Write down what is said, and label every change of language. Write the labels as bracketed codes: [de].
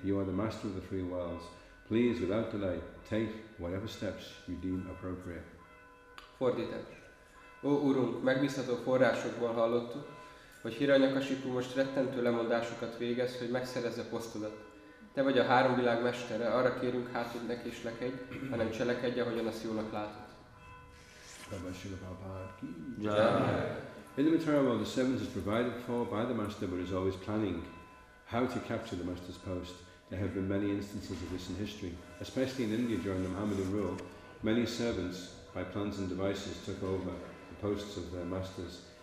[en] You are the master of the three worlds. Please, without delay, take whatever steps you deem appropriate. [hu] Fordítás. Ó Urunk, megbízható forrásokból hallottuk, hogy Hiranyakashipu most rettentő lemondásokat végez, hogy megszerezze posztodat. Te vagy a három világ mestere, arra kérünk hát, hogy neki is lekedj, hanem cselekedj, ahogyan azt jónak látod. [en] In the material world, the seventh is provided for by the master, but is always planning how to capture the master's post. There have been many instances of this in history, especially in India during the Muhammadan rule. Many servants, by plans and devices, took over the posts of their masters.